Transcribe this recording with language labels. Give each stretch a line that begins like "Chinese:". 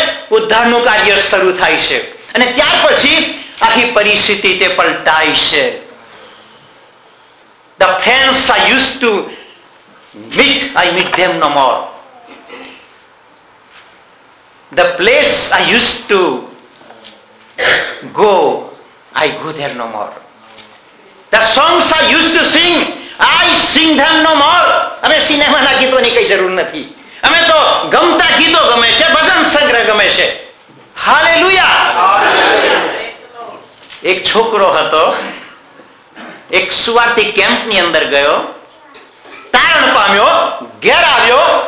Gujarati: ઉદ્ધારનું કાર્ય શરૂ થાય છે અને ત્યાર પછી આખી પરિસ્થિતિ તે પલટાય છે.
English: The friends I used to meet, I meet them no more. The place I used to go, I go there no more. The songs I used to sing, I sing them no more.
Gujarati: અમે સિનેમાના ગીતોની કઈ જરૂર નથી. અમે તો ગમતા ગીતો ગમે છે, ભજન સંગ્રહ ગમે છે. હાલેલુયા. એક છોકરો હતો, એક સુવાતી કેમ્પ ની અંદર ગયો, તારણ પામ્યો, ઘેર આવ્યો.